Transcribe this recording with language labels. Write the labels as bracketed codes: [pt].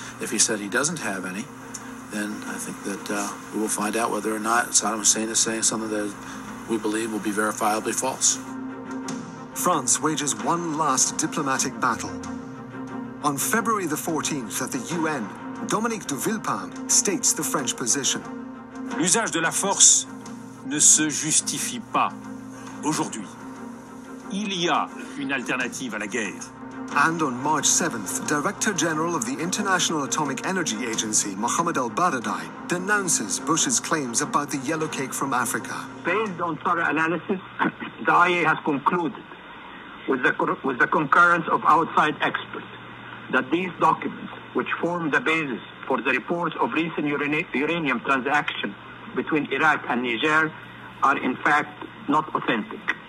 [en] If he said he doesn't have any, then I think that we will find out whether or not Saddam Hussein is saying something that we believe will be verifiably false. France wages one last diplomatic battle. On February the 14th at the UN, Dominique de Villepin states the French position. [fr] L'usage de la force ne se justifie pas aujourd'hui. Il y a une alternative à la guerre. [en] And on March 7th, Director General of the International Atomic Energy Agency, Mohammed al-Baradei, denounces Bush's claims about the yellow cake from Africa. Based on thorough analysis, the IAEA has concluded, with the concurrence of outside experts, that these documents, which form the basis for the reports of recent uranium transactions between Iraq and Niger, are in fact not authentic.